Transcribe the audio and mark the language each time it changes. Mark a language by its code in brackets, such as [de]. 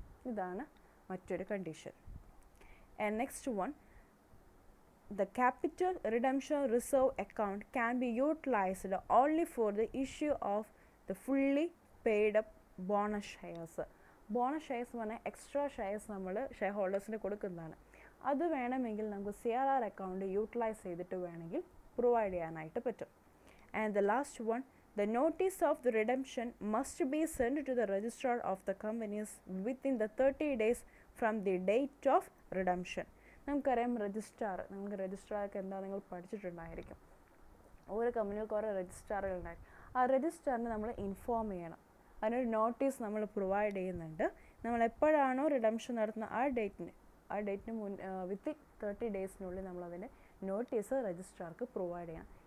[ml] ഇതാണ് മറ്റൊരു condition. [en] And next one, the capital redemption reserve account can be utilised only for the issue of the fully paid up bonus shares. [ml] Bonus shares എന്ന് പറഞ്ഞാൽ extra shares നമ്മൾ share ഹോൾഡേഴ്സിന് കൊടുക്കുന്നതാണ്. അത് വേണമെങ്കിൽ നമുക്ക് CRR account utilise ചെയ്തിട്ട് വേണമെങ്കിൽ provide ചെയ്യാനായിട്ട് പറ്റും. [en] And the last one, The notice of the redemption must be sent to the registrar of the companies within the 30 days from the date of redemption. [ml] നമുക്കറിയാം registrar, നമുക്ക് രജിസ്ട്രാർക്ക് എന്താ നിങ്ങൾ പഠിച്ചിട്ടുണ്ടായിരിക്കും. ഓരോ കമ്പനികൾക്കും ഓരോ രജിസ്ട്രാറുകൾ ഉണ്ടായിരിക്കും. ആ രജിസ്ട്രാറിനെ നമ്മൾ ഇൻഫോം ചെയ്യണം, അതിനൊരു നോട്ടീസ് നമ്മൾ പ്രൊവൈഡ് ചെയ്യുന്നുണ്ട്. നമ്മൾ എപ്പോഴാണോ റിഡംഷൻ നടത്തുന്നത് ആ ഡേറ്റിന് മുൻ വിത്തിൻ 30 ഡേയ്സിനുള്ളിൽ നമ്മളതിൻ്റെ നോട്ടീസ് രജിസ്ട്രാർക്ക് പ്രൊവൈഡ് ചെയ്യണം.